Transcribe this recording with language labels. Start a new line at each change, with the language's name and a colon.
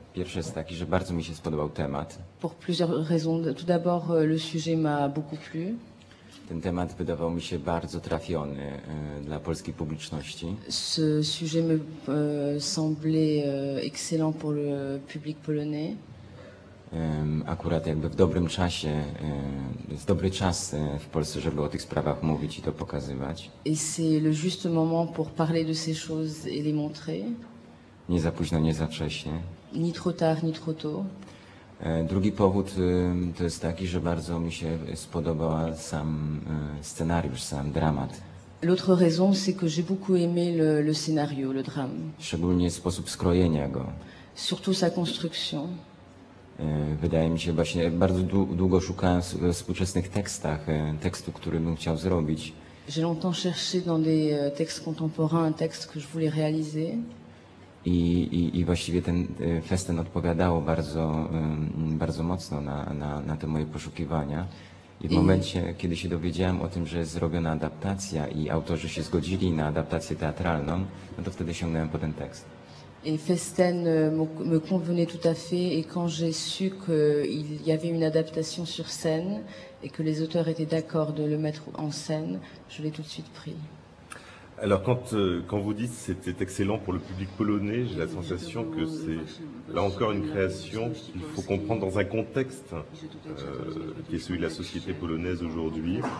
Polish: Pierwszy jest taki, że bardzo mi się spodobał temat.
French: Pour plusieurs raisons. Tout d'abord, le sujet m'a beaucoup plu.
Polish: Ten temat wydawał mi się bardzo trafiony dla polskiej publiczności.
French: Ce sujet me semblait excellent pour le public polonais.
Polish: Akurat jakby w dobrym czasie, jest dobry czas w Polsce, żeby o tych sprawach mówić i to pokazywać.
French: Et c'est le juste moment pour parler de ces choses et les montrer.
Polish: Nie za późno, nie za wcześnie.
French: Ni trop tard, ni trop tôt.
Polish: Drugi powód to jest taki, że bardzo mi się spodobał sam scenariusz, sam dramat.
French: L'autre raison, c'est que j'ai beaucoup aimé le scénario, le drame.
Polish: Szczególnie sposób skrojenia go.
French: Surtout sa construction.
Polish: Wydaje mi się właśnie, bardzo długo szukałem w współczesnych tekstach tekstu, który bym chciał zrobić.
French: J'ai longtemps cherché dans des textes contemporains un texte que je voulais réaliser.
Polish: I właściwie ten festyn odpowiadał bardzo mocno na te moje poszukiwania. I w momencie, kiedy się dowiedziałem o tym, że jest zrobiona adaptacja i autorzy się zgodzili na adaptację teatralną, no to wtedy sięgnąłem po ten tekst.
French: Et festin me convenait tout à fait et quand j'ai su qu'il y avait une adaptation sur scène et que les auteurs étaient d'accord de le mettre en scène, je l'ai tout de suite pris. Alors quand vous dites que c'était excellent pour le public polonais, j'ai la sensation que c'est là encore une création qu'il faut comprendre dans un contexte qui est celui de la société polonaise aujourd'hui.